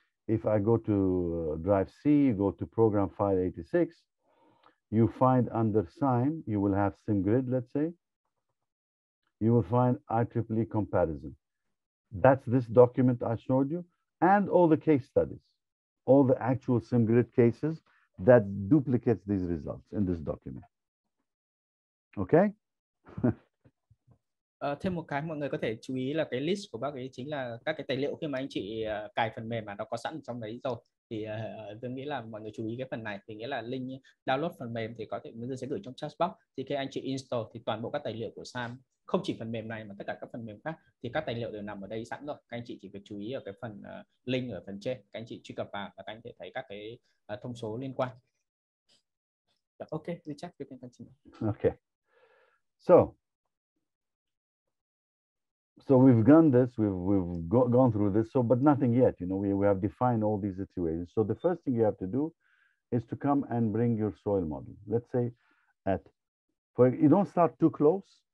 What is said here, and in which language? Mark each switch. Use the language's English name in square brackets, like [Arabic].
[English] If I go to drive C, you go to program 586, you find under sign, you will have CYMGRD, let's say. You will find IEEE comparison. That's this document I showed you, and all the case studies, all the actual CYMGRD cases that duplicates these results in this document. Okay? [Vietnamese] Thêm một cái mọi người có thể chú ý là cái list của bác ấy chính là các cái tài liệu khi mà anh chị cài phần mềm mà nó có sẵn trong đấy rồi. Thì tôi nghĩ là mọi người chú ý cái phần này, thì nghĩa là link download phần mềm thì có thể mọi người sẽ gửi trong chat box. Thì khi anh chị install thì toàn bộ các tài liệu của Sam, không chỉ phần mềm này mà tất cả các phần mềm khác, thì các tài liệu đều nằm ở đây sẵn rồi. Các anh chị chỉ việc chú ý ở cái phần link ở phần trên, các anh chị truy cập vào và các anh có thể thấy các cái thông số liên quan. [English] Ok, Richard, you can continue. Ok, so we've done this, we've gone through this, so but nothing yet, you know, we have defined all these situations. So the first thing you have to do is to come and bring your soil model. Let's say you don't start too close.